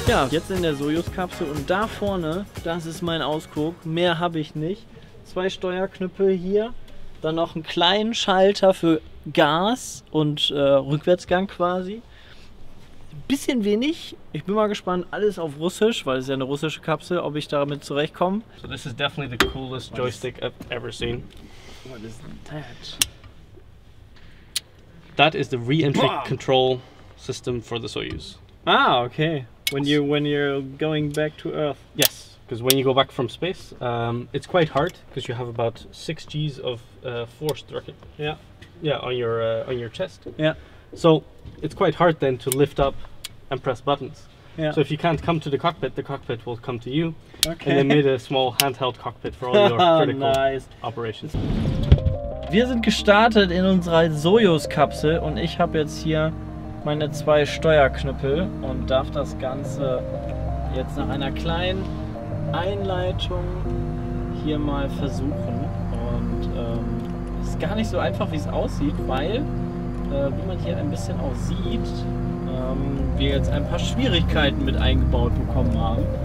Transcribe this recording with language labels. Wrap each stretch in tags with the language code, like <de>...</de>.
<de>Jetzt in der Sojus-Kapsel und da vorne, das ist mein Ausguck, mehr habe ich nicht. Zwei Steuerknüppel hier, dann noch einen kleinen Schalter für Gas und Rückwärtsgang quasi. Bisschen wenig, ich bin mal gespannt, alles auf Russisch, weil es ja eine russische Kapsel, ob ich damit zurechtkomme.</de> <en>So this is definitely the coolest joystick I've ever seen. What is that? That is the re-entry control system for the Soyuz. Ah, okay. When you're going back to Earth. Yes, because when you go back from space, it's quite hard because you have about 6 G's of forced rocket. Yeah, on your chest. Yeah. So it's quite hard then to lift up and press buttons. Yeah. So if you can't come to the cockpit will come to you. Okay. And they made a small handheld cockpit for all your critical nice. Operations.</en> <de>Wir sind gestartet in unserer Sojus-Kapsel und ich habe jetzt hier meine zwei Steuerknüppel und darf das Ganze jetzt nach einer kleinen Einleitung hier mal versuchen. Und es ist gar nicht so einfach, wie es aussieht, weil, wie man hier ein bisschen auch sieht, wir jetzt ein paar Schwierigkeiten mit eingebaut bekommen haben.</de>